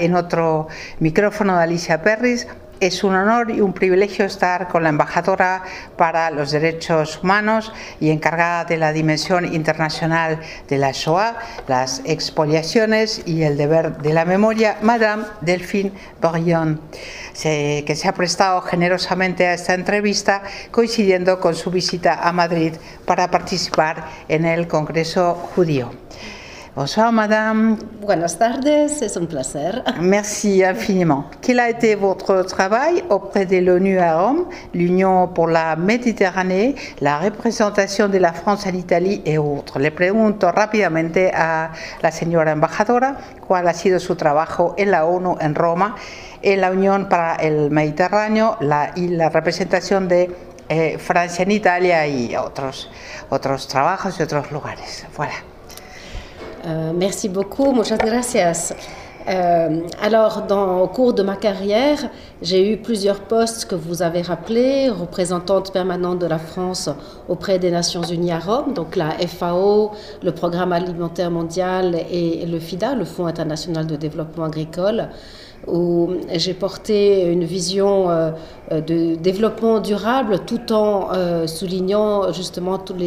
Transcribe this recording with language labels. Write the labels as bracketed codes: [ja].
[es] En otro micrófono de Alicia Perris. Es un honor y un privilegio estar con la embajadora para los derechos humanos y encargada de la dimensión internacional de la Shoah, las expoliaciones y el deber de la memoria, madame Delphine Bourion, que se ha prestado generosamente a esta entrevista, coincidiendo con su visita a Madrid para participar en el Congreso Judío. [fr] Bonsoir, madame. [es] Buenas tardes, [fr] c'est un plaisir. Merci infiniment. Quel a été votre travail auprès de l'ONU à Rome, l'Union pour la Méditerranée, la représentation de la France en Italie et autres? [es] Le pregunto rapidamente a la señora embajadora, ¿cuál ha sido su trabajo en la ONU en Roma, en la Unión para el Mediterráneo y la representación de Francia en Italia y otros trabajos y otros lugares? [fr] Voilà. Merci beaucoup, [es] muchas gracias. [fr] Alors, au cours de ma carrière, j'ai eu plusieurs postes que vous avez rappelés, représentante permanente de la France auprès des Nations Unies à Rome, donc la FAO, le Programme Alimentaire Mondial et le FIDA, le Fonds International de Développement Agricole, où j'ai porté une vision de développement durable tout en soulignant justement